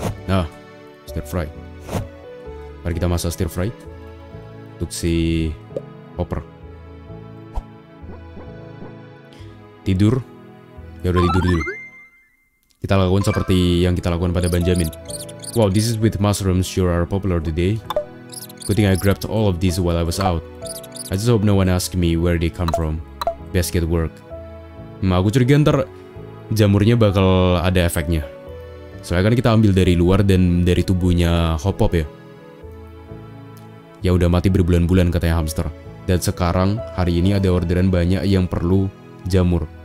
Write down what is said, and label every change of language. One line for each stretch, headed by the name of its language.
Indonesian: Nah, stir fry. Mari kita masak stir fry untuk si Hopper. Tidur. Ya udah tidur dulu. Kita lakukan seperti yang kita lakukan pada Benjamin.
English: Wow, this is with mushrooms sure are popular today. Good thing I grabbed all of these while I was out. I just hope no one asks me where they come from. Best get work.
Indonesian: Aku curiga ntar jamurnya bakal ada efeknya. Soalnya kan kita ambil dari luar dan dari tubuhnya Hop-Up ya. Ya udah mati berbulan-bulan katanya hamster. Dan sekarang hari ini ada orderan banyak yang perlu jamur.